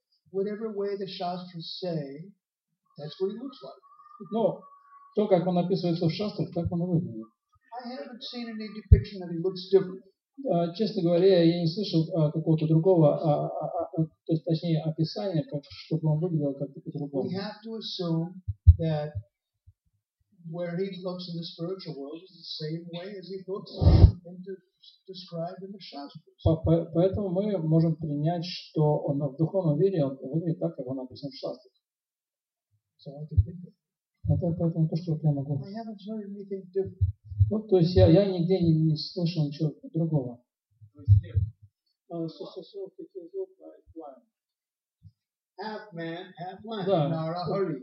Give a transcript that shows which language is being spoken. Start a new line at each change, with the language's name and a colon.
English: Whatever way the Shastras say, that's what he looks like.
Russian: Но то, как он описывается в шастрах, так он и выглядит.
English: I haven't seen any depiction that he looks different.
Russian: Честно говоря, я не слышал какого-то другого, точнее описания, как чтобы он выглядел как-то по-другому.
English: We have to assume that where he looks in the spiritual world is the same way as he looks in the described in the Shastras.
Russian: Поэтому мы можем принять, что он в духовном мире он выглядит так, как он описан в Шастрах.
English: So I can think of it.
Russian: Поэтому то, что я могу.
English: I haven't heard anything different.
Russian: Ну, то есть я нигде не слышал ничего другого.
English: Half man, half lion. Да. Нарахари.